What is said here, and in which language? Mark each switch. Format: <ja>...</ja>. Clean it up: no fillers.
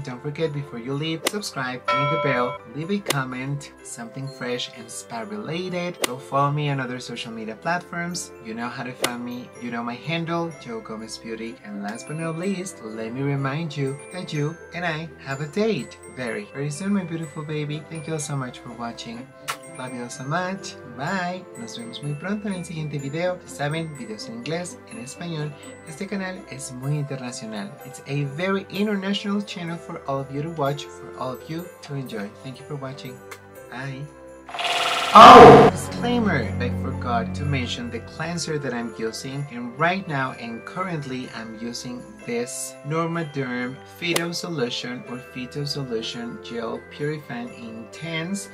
<en>Don't forget, before you leave, subscribe, ring the bell, leave a comment, something fresh and spa related. Go follow me on other social media platforms. You know how to find me. You know my handle, Joe Gomez Beauty. And last but not least, let me remind you that you and I have a date very, very soon, my beautiful baby. Thank you all so much for watching. Love you so much. Bye.</en> <es>Nos vemos muy pronto en el siguiente video. Saben, videos en inglés, en español. Este canal es muy internacional.</es> <en>It's a very international channel for all of you to watch, for all of you to enjoy. Thank you for watching. Bye. Oh! Disclaimer! I forgot to mention the cleanser that I'm using, and right now and currently I'm using this Normaderm Phyto Solution Gel Purifying Intense.</en>